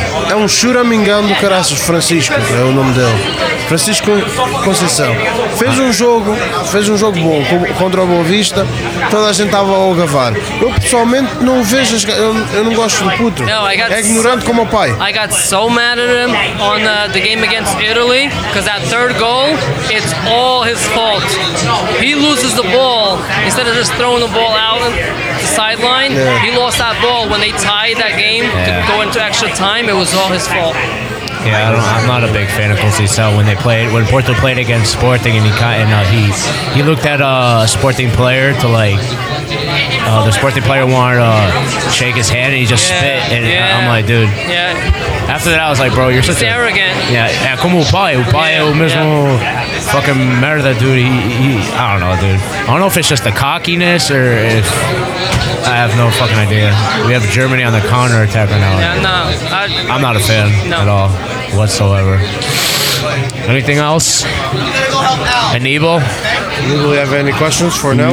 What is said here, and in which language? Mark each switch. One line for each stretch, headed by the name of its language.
Portuguese: É um churamingão do caraças, Francisco, é o nome dele. Francisco Conceição. Fez um jogo bom contra o Boa Vista, toda a gente estava a gravar. Eu pessoalmente não vejo, eu não gosto do puto. É ignorante como o pai.
English: I got so mad at him on the game against Italy, because that third goal, it's all his fault. He loses the ball, instead of just throwing the ball out the sideline, he lost that ball when they tied that game to go into extra time, it was all his fault. Yeah, I'm not a big fan of Conceição. When Porto played against Sporting, and he looked at a Sporting player to like the Sporting player wanted to shake his hand, and he just spit. And I'm like, dude. Yeah. After that, I was like, bro, you're such arrogant.
Portuguese: Yeah, como o pai é o mesmo fucking merda, dude.
English: He, I don't know, dude. I don't know if it's just the cockiness or if. I have no fucking idea. We have Germany on the counter attack right now. I'm not a fan at all, whatsoever. Anything else? Enable? Do we have any questions for now?